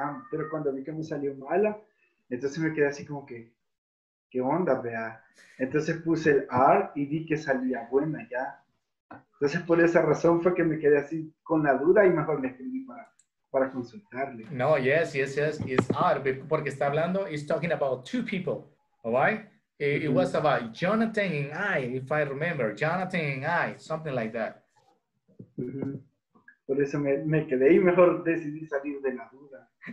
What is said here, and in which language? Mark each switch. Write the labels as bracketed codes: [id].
[es] Pero cuando vi que me salió mala, entonces me quedé así como que, ¿qué onda, vea? Entonces puse el R y vi que salía buena ya. Entonces por esa razón fue que me quedé así con la duda y mejor me escribí para consultarle. [en] No, yes, it's odd, [es] porque está hablando, [en] it's talking about two people, all right? It, mm-hmm. It was about Jonathan and I, if I remember, Jonathan and I, something like that. [es] Mm-hmm. Por eso me quedé y mejor decidí salir de la duda.